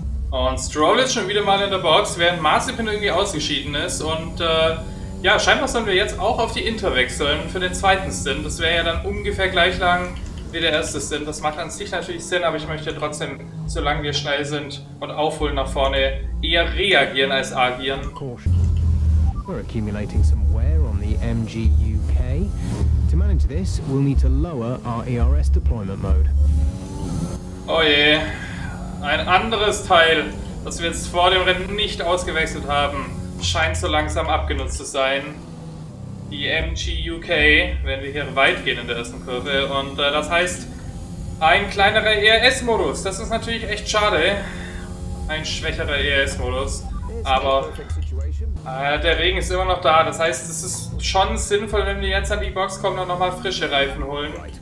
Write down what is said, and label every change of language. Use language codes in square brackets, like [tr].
[de] Und Stroll ist schon wieder mal in der Box, während Mazepin irgendwie ausgeschieden ist und ja, scheinbar sollen wir jetzt auch auf die Inter wechseln für den zweiten Stint. Das wäre ja dann ungefähr gleich lang wie der erste Stint. Das macht an sich natürlich Sinn, aber ich möchte trotzdem, solange wir schnell sind und aufholen nach vorne, eher reagieren als agieren. [en] We're accumulating some wear on the MGUK. To manage this, we'll need to lower our ERS deployment mode. [de] Oh je, ein anderes Teil, das wir jetzt vor dem Rennen nicht ausgewechselt haben, scheint so langsam abgenutzt zu sein. Die MGUK, wenn wir hier weit gehen in der ersten Kurve, und das heißt, ein kleinerer ERS-Modus, das ist natürlich echt schade, ein schwächerer ERS-Modus, aber der Regen ist immer noch da, das heißt, es ist schon sinnvoll, wenn wir jetzt an die Box kommen und nochmal frische Reifen holen.